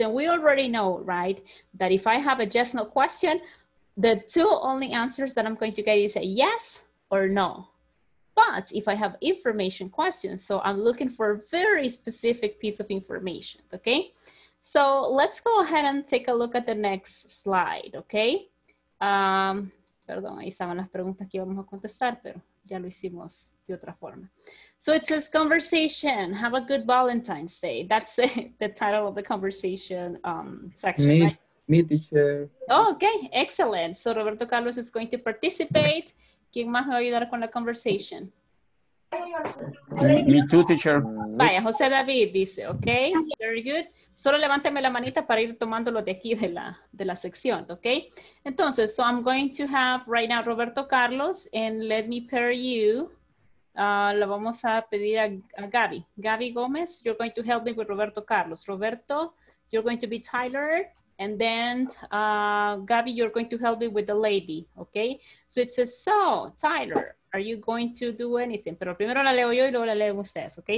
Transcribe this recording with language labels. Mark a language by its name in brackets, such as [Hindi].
[English] And we already know, right, that if I have a just no question, the two only answers that I'm going to get is a yes or no. But if I have information questions, so I'm looking for a very specific piece of information, okay? So let's go ahead and take a look at the next slide, okay? [Spanish] Perdón, ahí estaban las preguntas que íbamos a contestar, pero ya lo hicimos de otra forma. [English] So it says conversation, have a good Valentine's Day. That's the title of the conversation section. Me, teacher. Oh, okay, excellent. [Spanish] So Roberto Carlos [English] is going to participate. [Spanish] ¿Quién más me va a ayudar con la conversation? [English] Me, teacher. Me too, teacher. [Spanish] Vaya, José David dice, ok, [English] very good. [Spanish] Solo levánteme la manita para ir tomando los de aquí de la sección, ok. [English] Entonces, so I'm going to have right now Roberto Carlos and let me pair you. [Spanish] Lo vamos a pedir a [English] Gaby. Gaby Gómez, you're going to help me with Roberto Carlos. Roberto, you're going to be Tyler. And then Gaby, you're going to help me with the lady, ok. So it says, so Tyler, are you going to do anything? [Spanish] Pero primero la leo yo y luego la leen ustedes, okay?